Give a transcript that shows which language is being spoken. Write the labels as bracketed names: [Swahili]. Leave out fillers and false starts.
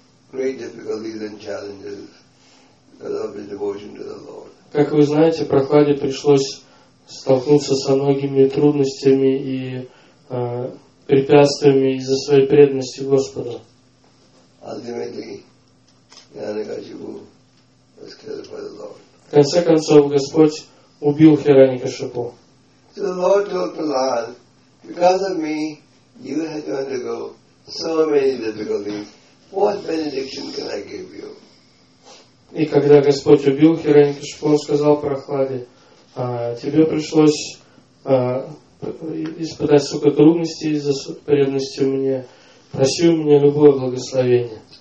[English] Great difficulties and challenges because of his devotion to the Lord. [Russian] Как вы знаете, Прохладе пришлось столкнуться со многими трудностями и препятствиями из-за своей преданности Господу. [English] Ultimately, Hiranyakashipu was killed by the Lord. [Russian] В конце концов, Господь убил Хираньякашипу. [English] So the Lord told Prahlad, because of me, you had to undergo so many difficulties. What benediction can I give you? [Russian] И когда Господь убил Хираньякашипу, он сказал Прохладе, тебе пришлось испытать столько трудностей из-за преданности мне. Проси у меня любое благословение.